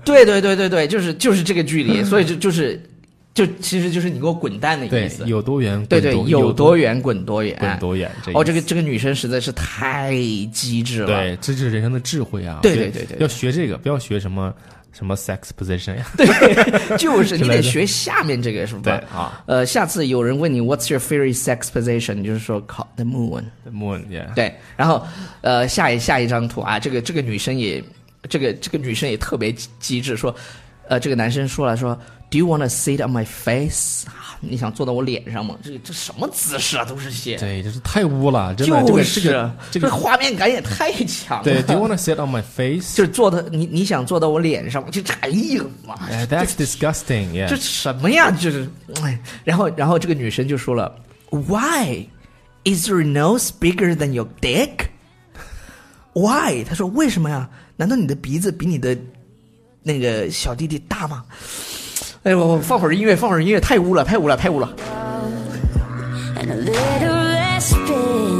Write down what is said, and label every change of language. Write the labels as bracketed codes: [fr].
[zh] 对，就是这个距离，所以就是。就其实就是你给我滚蛋的意思，对，有多远滚多，对对，有多远滚多远，滚多远。这哦，这个女生实在是太机智了，对，这就是人生的智慧啊！对，要学这个，不要学什么 [en] sex position [zh] 呀，对，就是你得学下面这个，是吧？对啊，下次有人问你 [en] what's your favorite sex position， [zh] 你就是说 [en] call the moon， the moon， yeah， [zh] 对，然后下一张图啊，这个女生也特别机智，说这个男生说了说。 [en] Do you want to sit on my face? [zh] 你想坐到我脸上吗？这什么姿势啊？都是些，对，这是太污了，真的，就是这个画面感也太强了。 [en] 对 ，Do you want to sit on my face？ [zh] 就是坐的，你想坐到我脸上吗？就哎呀妈 [en] ，That's disgusting！ [zh] 这什么呀？就是，哎，然后这个女生就说了 ， [en] Why is your nose bigger than your dick？Why？ [zh] 她说为什么呀？难道你的鼻子比你的那个小弟弟大吗？哎呦，放会儿音乐，放会儿音乐，太污了，太污了，太污了。